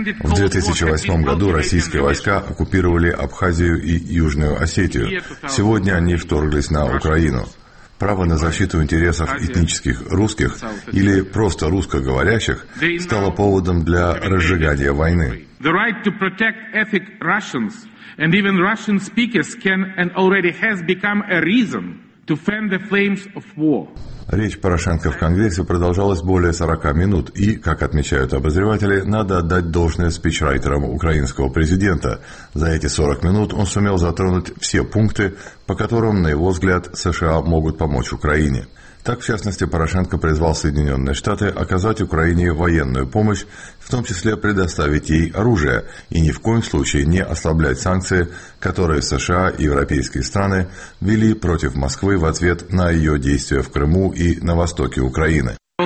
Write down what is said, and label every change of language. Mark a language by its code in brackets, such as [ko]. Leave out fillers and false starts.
[ru] В 2008 году российские войска оккупировали Абхазию и Южную Осетию. Сегодня они вторглись на Украину. Право на защиту интересов этнических русских или просто русскоговорящих стало поводом для разжигания войны. [en] The right to protect ethnic Russians and even Russian speakers can and already has become a reason to fan the flames of war. [ru] Речь Порошенко в Конгрессе продолжалась более 40 минут, и, как отмечают обозреватели, надо отдать должное спичрайтерам украинского президента. За эти 40 минут он сумел затронуть все пункты, по которым, на его взгляд, США могут помочь Украине. Так, в частности, Порошенко призвал Соединенные Штаты оказать Украине военную помощь, в том числе предоставить ей оружие, и ни в коем случае не ослаблять санкции, которые США и европейские страны ввели против Москвы в ответ на ее действия в Крыму и на востоке Украины.